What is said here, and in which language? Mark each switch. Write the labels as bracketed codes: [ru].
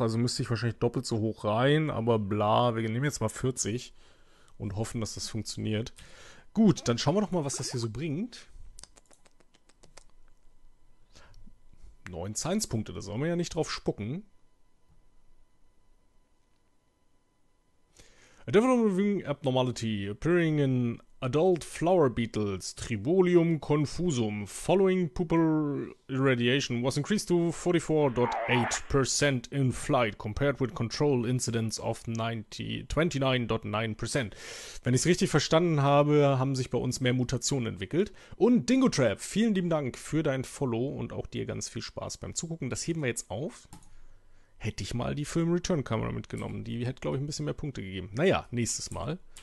[de] Also müsste ich wahrscheinlich doppelt so hoch rein. Aber bla, wir nehmen jetzt mal 40. Und hoffen, dass das funktioniert. Gut, dann schauen wir doch mal, was das hier so bringt. 9 Science-Punkte, da sollen wir ja nicht drauf spucken. [en] A developing abnormality appearing in adult flower beetles, Tribolium confusum, following pupal irradiation was increased to 44.8% in flight, compared with control incidence of 29.9%. [de] Wenn ich es richtig verstanden habe, haben sich bei uns mehr Mutationen entwickelt. Und Dingotrap, vielen lieben Dank für dein Follow und auch dir ganz viel Spaß beim Zugucken. Das heben wir jetzt auf. Hätte ich mal die Film-Return-Kamera mitgenommen. Die hätte, glaube ich, ein bisschen mehr Punkte gegeben. Naja, nächstes Mal.